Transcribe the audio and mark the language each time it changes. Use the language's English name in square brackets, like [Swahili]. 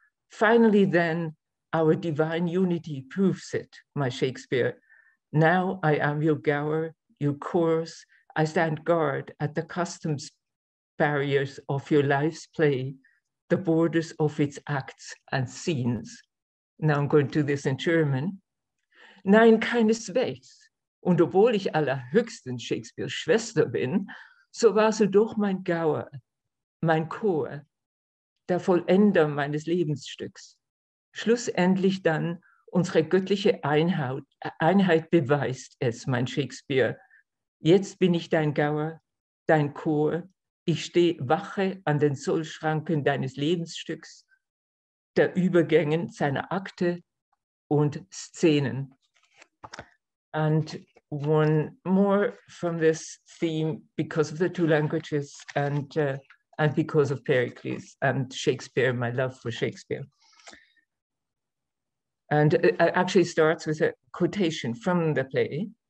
[English] Finally, then, our divine unity proves it, my Shakespeare. Now I am your Gower, your chorus. I stand guard at the customs barriers of your life's play, the borders of its acts and scenes. Now I'm going to do this in German. [German] Nein, keineswegs. Und obwohl ich allerhöchstens Shakespeares Schwester bin, so warst du doch mein Gauer, mein Chor, der Vollender meines Lebensstücks. Schlussendlich dann unsere göttliche Einheit beweist es, mein Shakespeare. Jetzt bin ich dein Gauer, dein Chor. Ich stehe wache an den Zollschranken deines Lebensstücks, der Übergängen seiner Akte und Szenen. [English] And one more from this theme, because of the two languages and because of Pericles and Shakespeare, my love for Shakespeare. And it actually starts with a quotation from the play.